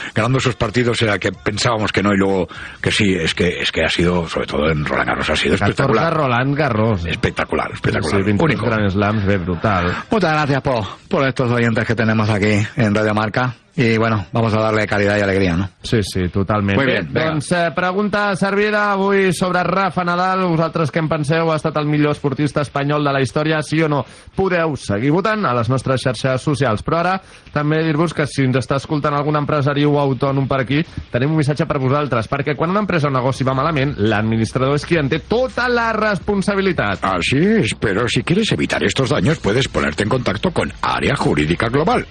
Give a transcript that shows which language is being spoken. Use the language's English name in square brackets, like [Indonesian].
[Spanish] Ganando esos partidos era que pensábamos que no y luego que sí, es que ha sido, sobre todo en Roland Garros, ha sido espectacular. Roland Garros. Espectacular, espectacular. Sí, único. Gran Slam, es brutal. Muchas gracias por estos oyentes que tenemos aquí en Radio Marca. I, bueno, vamos a darle calidad y alegría, ¿no? [Catalan] Sí, sí, totalment. [Spanish] Muy bien, [Catalan] doncs, pregunta servida avui sobre Rafa Nadal. Vosaltres què en penseu? Ha estat el millor esportista espanyol de la història? Sí o no? Podeu seguir votant a les nostres xarxes socials. Però ara, també dir-vos que si ens està escoltant algun empresari o autònom per aquí, tenim un missatge per vosaltres, perquè quan una empresa o negoci va malament, l'administrador és qui en té tota la responsabilitat. [Spanish] Así es, pero si quieres evitar estos daños, puedes ponerte en contacto con Área Jurídica Global.